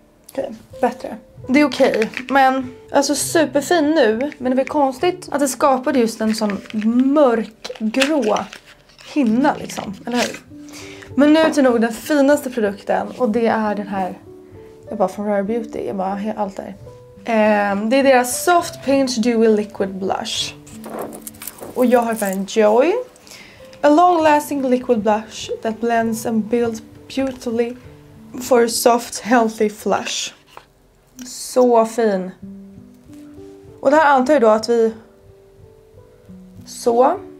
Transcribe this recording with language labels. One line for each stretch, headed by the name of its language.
Swedish: Okej, bättre. Det är okej, men alltså superfin nu, men det är konstigt att det skapade just en sån mörkgrå hinna liksom, eller hur? Men nu till nog den finaste produkten, och det är den här, jag bara från Rare Beauty, jag bara allt där. Det är deras Soft Pinch Dewy Liquid Blush. Och jag har en Joy.
English: A long lasting liquid blush that blends and builds beautifully for a soft healthy flush.
Swedish: Så fin. Och det här antar jag då att vi... Så.